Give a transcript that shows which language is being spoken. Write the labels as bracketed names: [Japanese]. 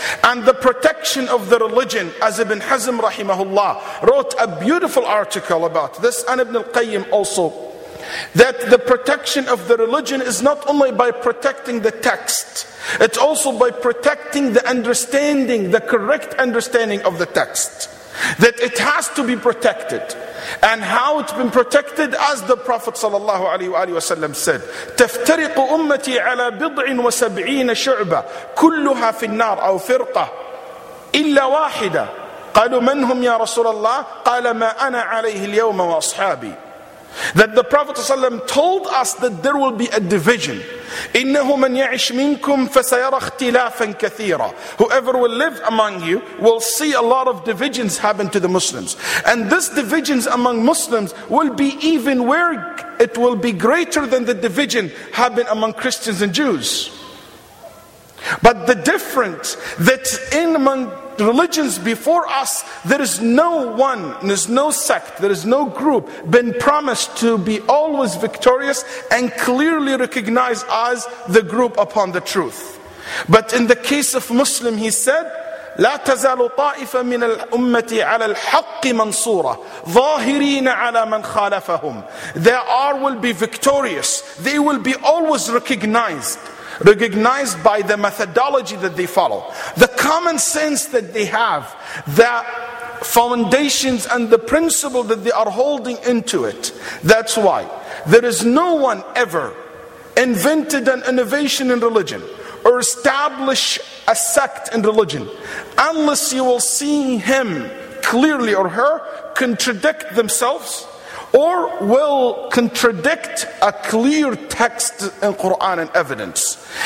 [English] And the protection of the religion, as Ibn Hazm rahimahullah wrote a beautiful article about this, and Ibn al-Qayyim also, that the protection of the religion is not only by protecting the text, it's also by protecting the understanding, the correct understanding of the text. That it has to be protected. And how it's been protected, as the Prophet ﷺ said, [Arabic] تَفْتَرِقُ أُمَّتِي عَلَى بِضْعٍ وَسَبْعِينَ شُعْبَةً كُلُّهَا فِي النَّارِ أَوْ فِرْقَةً إِلَّا وَاحِدَةً قَالُوا مَنْ هُمْ يَا رَسُولَ اللَّهِ قَالَ مَا أَنَا عَلَيْهِ الْيَوْمَ وَأَصْحَابِي. [English] That the Prophet ﷺ told us that there will be a division. [Arabic] إِنَّهُ مَنْ يَعِشْ مِنْكُمْ فَسَيَرَ اخْتِلَافًا كَثِيرًا. [English] Whoever will live among you will see a lot of divisions happen to the Muslims. And this divisions among Muslims will be even where it will be greater than the division happen among Christians and Jews. But the difference that in among religions before us, there is no one, there is no sect, there is no group been promised to be always victorious and clearly recognized as the group upon the truth. But in the case of Muslim, he said, [Arabic] لا تزال طائفة من الأمة على الحق منصورة ظاهرين على من خالفهم. [English] They are will be victorious. They will be always recognized. Recognized by the methodology that they follow, the common sense that they have, the foundations and the principle that they are holding into it. That's why there is no one ever invented an innovation in religion or established a sect in religion unless you will see him clearly or her contradict themselves or will contradict a clear text in Quran and evidence.